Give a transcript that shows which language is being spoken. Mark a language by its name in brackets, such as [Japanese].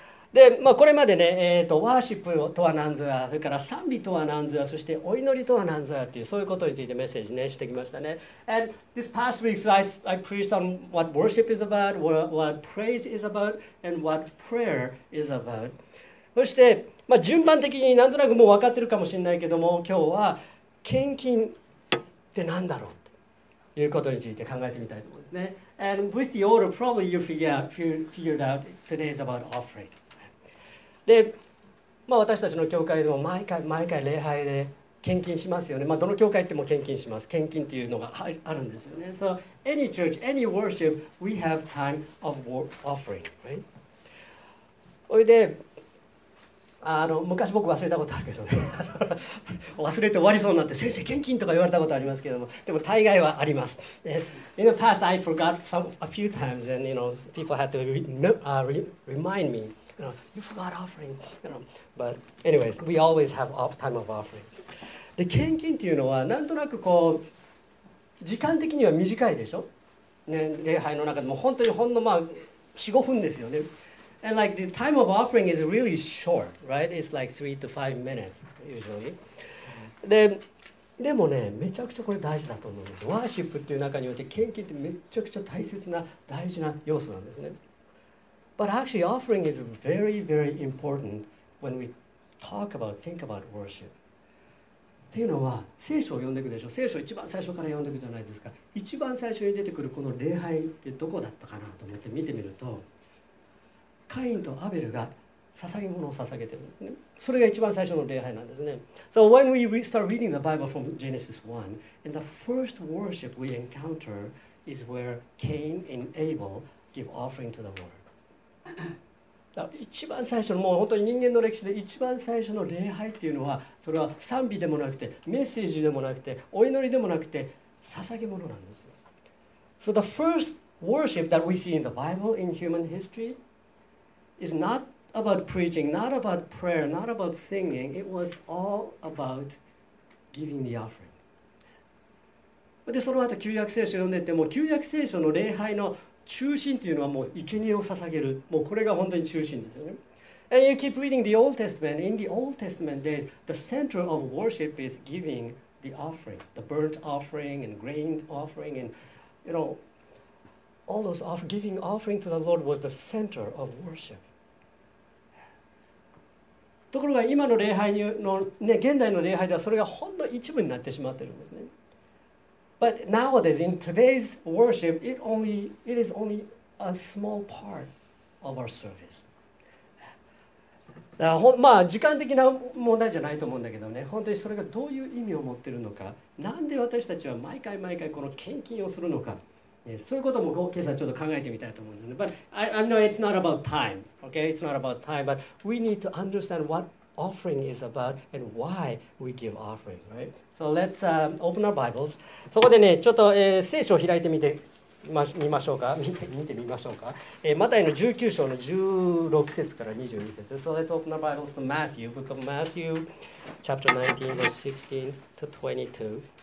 [Japanese] で、まあ、これまでね、ワーシップとは何ぞや、それから賛美とは何ぞや、そしてお祈りとは何ぞやっていう、そういうことについてメッセージね、してきましたね。 [English] And this past week, so I preached on what worship is about, what praise is about, and what prayer is about. [Japanese] そして、まあ、順番的になんとなくもう分かってるかもしれないけども、今日は献金って何だろうということについて考えてみたいと思うんですね。 [English] And with the order, probably you figured out today's about offering. [Japanese] で、まあ、私たちの教会でも毎回毎回礼拝で献金しますよね。まあ、どの教会行っても献金します。献金っていうのがあるんですよね。 [English] So any church, any worship, we have time of offering, right? [Japanese] それで、昔僕忘れたことあるけどね忘れて終わりそうになって先生献金とか言われたことありますけども、でも大概はあります。 [English] In the past I forgot a few times and you know people had to remind me, you know, you forgot offering, you know, but anyways we always have off time of offering. [Japanese] で献金っていうのはなんとなくこう時間的には短いでしょ、ね、礼拝の中でも本当にほんのまあ 4-5 分ですよね。 [English] And like the time of offering is really short, right? It's like 3 to 5 minutes usually. [Japanese] でもね、めちゃくちゃこれ大事だと思うんです。ワーシップっていう中において献金ってめちゃくちゃ大切な大事な要素なんですね。 [English] But actually, offering is very, very important when we talk about, think about worship. [Japanese] っていうのは聖書を読んでいくでしょ。聖書を一番最初から読んでいくじゃないですか。一番最初に出てくるこの礼拝ってどこだったかなと思って見てみると。カインとアベルが捧げ物を捧げてるんですね。それが一番最初の礼拝なんですね。 [English] So when we start reading the Bible from Genesis 1, and the first worship we encounter is where Cain and Abel give offering to the Lord. [Japanese] だから一番最初の、もう本当に人間の歴史で一番最初の礼拝っていうのは、それは賛美でもなくて、メッセージでもなくて、お祈りでもなくて、捧げ物なんですよ。 [English] So the first worship that we see in the Bible in human history,is not about preaching, not about prayer, not about singing. It was all about giving the offering. [Japanese] で、その後旧約聖書読んでても、旧約聖書の礼拝の中心というのはもう生贄を捧げる。もうこれが本当に中心ですよね。 [English] And you keep reading the Old Testament. In the Old Testament days, the center of worship is giving the offering, the burnt offering and grain offering and, you know,All those giving offering to the Lord was the center of worship. [Japanese] ところが今の礼拝の、ね、現代の礼拝ではそれがほんの一部になってしまっているんですね。 [English] But nowadays, in today's worship, it is only a small part of our service. [Japanese] だからまあ時間的な問題じゃないと思うんだけどね、本当にそれがどういう意味を持っているのか、なんで私たちは毎回毎回この献金をするのか、そういうことも今朝ちょっと考えてみたいと思うんですね。 [English] But I know it's not about time. Okay, it's not about time. But we need to understand what offering is about and why we give offering, right? So let's open our Bibles. [Japanese] そこでね、ちょっと、聖書を開いてみてみましょうか。見てみましょうか。マタイの19章の16節から22節。 [English] So let's open our Bibles to Matthew, Book of Matthew, Chapter 19, Verse 16 to 22.